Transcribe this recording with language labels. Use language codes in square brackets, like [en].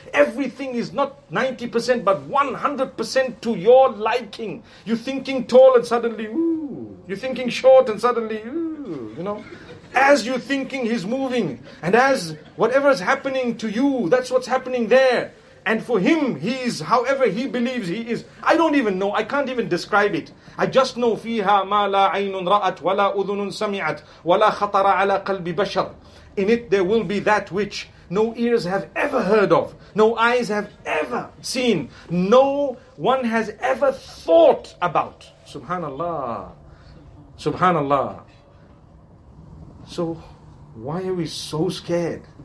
[en] Everything is not 90% but 100% to your liking. You're thinking tall and suddenly, ooh. You're thinking short and suddenly, you know. As you're thinking, he's moving. And as whatever's happening to you, that's what's happening there. And for him, he's however he believes he is. I don't even know. I can't even describe it. I just know [ar] فِيهَا مَا لَا عَيْنٌ رَأَتْ وَلَا أُذُنٌ سَمِعَتْ وَلَا خَطَرَ عَلَىٰ قَلْبِ بَشَرٍ. [en] In it there will be that which no ears have ever heard of, no eyes have ever seen, no one has ever thought about. Subhanallah. Subhanallah. So why are we so scared?